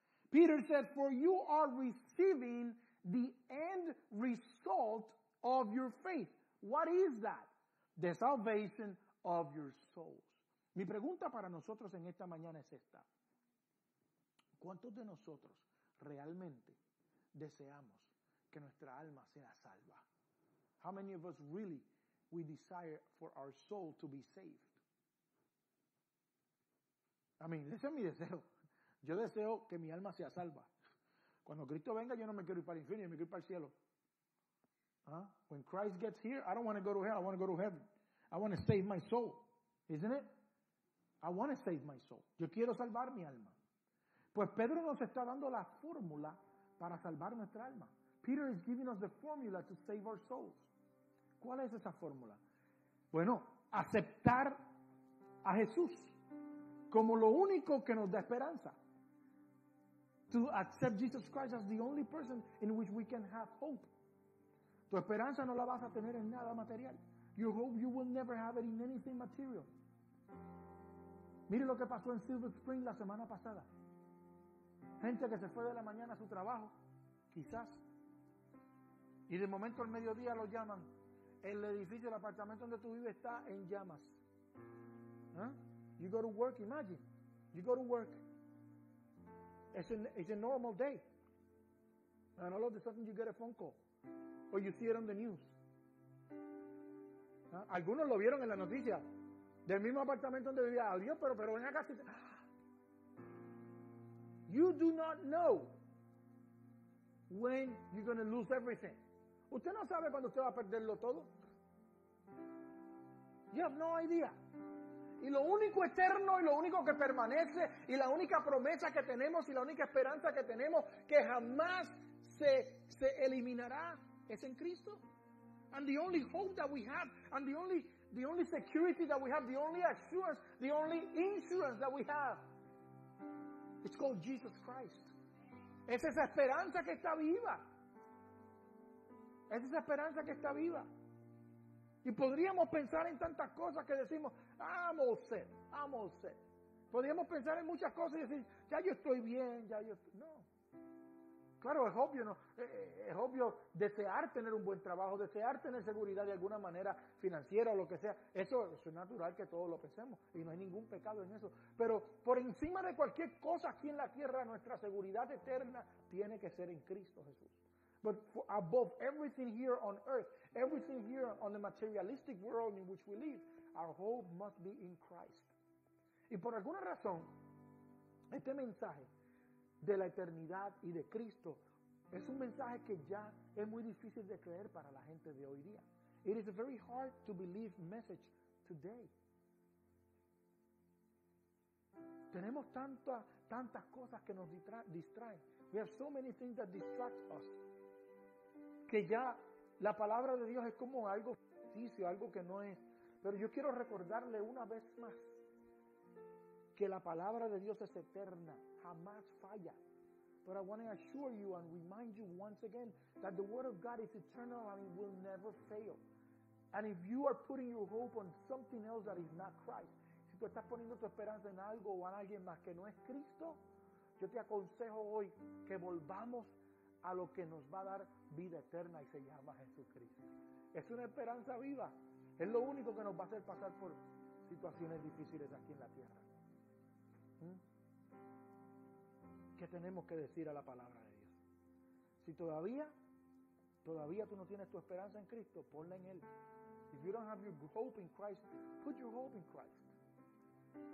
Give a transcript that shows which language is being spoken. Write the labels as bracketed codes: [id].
[en] Peter said, for you are receiving the end result of your faith. What is that? The salvation of your souls. [es] Mi pregunta para nosotros en esta mañana es esta. ¿Cuántos de nosotros realmente deseamos que nuestra alma sea salva? [en] How many of us really we desire for our soul to be saved? I mean, [es] ese es mi deseo. Yo deseo que mi alma sea salva. Cuando Cristo venga, yo no me quiero ir para el infierno, yo me quiero ir para el cielo. ¿Ah? [en] When Christ gets here, I don't want to go to hell, I want to go to heaven. I want to save my soul, isn't it? I want to save my soul. [es] Yo quiero salvar mi alma. Pues Pedro nos está dando la fórmula para salvar nuestra alma. [en] Peter is giving us the formula to save our souls. [es] ¿Cuál es esa fórmula? Bueno, aceptar a Jesús como lo único que nos da esperanza. [en] To accept Jesus Christ as the only person in which we can have hope. [es] Tu esperanza no la vas a tener en nada material. [en] Your hope, you will never have it in anything material. [es] Mire lo que pasó en Silver Spring la semana pasada. Gente que se fue de la mañana a su trabajo, quizás. Y de momento al mediodía lo llaman. El edificio, el apartamento donde tú vives está en llamas. [en] ¿Eh? You go to work, imagine. You go to work. It's a normal day. And all of a sudden you get a phone call. Or you see it on the news. [es] ¿Eh? Algunos lo vieron en la noticia. Del mismo apartamento donde vivía. Adiós, pero ven acá. [en] You do not know when you're going to lose everything. [es] ¿Usted no sabe cuándo usted va a perderlo todo? [en] You have no idea. [es] Y lo único eterno y lo único que permanece y la única promesa que tenemos y la única esperanza que tenemos que jamás se eliminará es en Cristo. [en] And the only hope that we have and the only security that we have, the only assurance, the only insurance that we have, it's called Jesus Christ. [es] Es esa esperanza que está viva. Es esa esperanza que está viva. Y podríamos pensar en tantas cosas que decimos, [en] I'm all set. [es] Podríamos pensar en muchas cosas y decir, ya yo estoy bien. No. Claro, es obvio, ¿no? Es obvio desear tener un buen trabajo, desear tener seguridad de alguna manera financiera o lo que sea. Eso es natural que todos lo pensemos y no hay ningún pecado en eso. Pero por encima de cualquier cosa aquí en la tierra, nuestra seguridad eterna tiene que ser en Cristo Jesús. [en] But for above everything here on earth, everything here on the materialistic world in which we live, our hope must be in Christ. [es] Y por alguna razón, este mensaje de la eternidad y de Cristo es un mensaje que ya es muy difícil de creer para la gente de hoy día. [en] It is a very hard to believe message today. [es] Tenemos tantas cosas que nos distraen. [en] We have so many things that distract us. [es] Que ya la palabra de Dios es como algo ficticio, algo que no es. Pero yo quiero recordarle una vez más que la palabra de Dios es eterna, jamás falla. [en] But I want to assure you and remind you once again that the word of God is eternal and it will never fail. And if you are putting your hope on something else that is not Christ, [es] si tú estás poniendo tu esperanza en algo o en alguien más que no es Cristo, yo te aconsejo hoy que volvamos a lo que nos va a dar vida eterna y se llama Jesucristo. Es una esperanza viva. Es lo único que nos va a hacer pasar por situaciones difíciles aquí en la tierra. ¿Qué tenemos que decir a la palabra de Dios? Si todavía tú no tienes tu esperanza en Cristo, ponla en Él. [en] If you don't have your hope in Christ, put your hope in Christ.